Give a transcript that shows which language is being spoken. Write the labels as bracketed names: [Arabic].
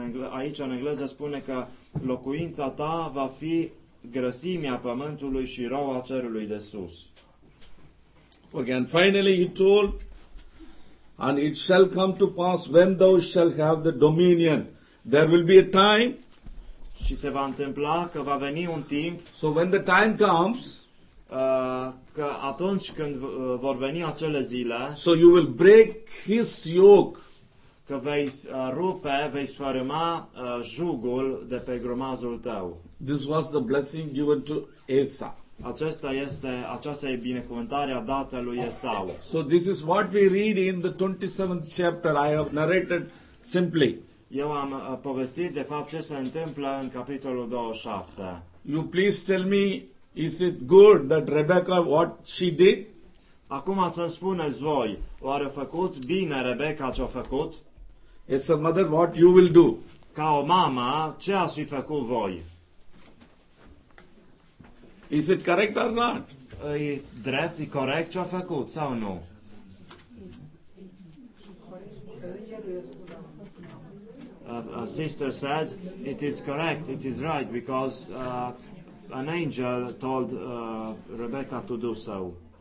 [Romanian] Aici în engleză spune că locuința ta va fi grăsimea pământului și roua cerului de sus. [English] Okay, and finally he told, and it shall come to pass when thou shalt have the dominion. There will be a time. [Romanian] Și se va întâmpla că va veni un timp. [English] So when the time comes, [Romanian] că atunci când vor veni acele zile, [English] so you will break his yoke. [Romanian] Că vei rupe, vei sfărâma jugul de pe grumazul tău. [English] This was the blessing given to Esau. [Romanian] Aceasta e binecuvântarea dată lui Esau. [English] So this is what we read in the 27th chapter. I have narrated simply. [Romanian] Eu am povestit de fapt ce se întâmplă în capitolul 27. [English] You please tell me, is it good that Rebecca what she did? [Romanian] Acum să-mi spuneți voi, oare a făcut bine Rebecca ce a făcut? [English] As a mother, what you will do? [Romanian] Ca o mamă, ce ați fi făcut voi? [English] Is it correct or not? [Romanian] E drept, e corect ce a făcut sau nu? [English] A sister says it is correct, it is right, because an angel told Rebecca to do so.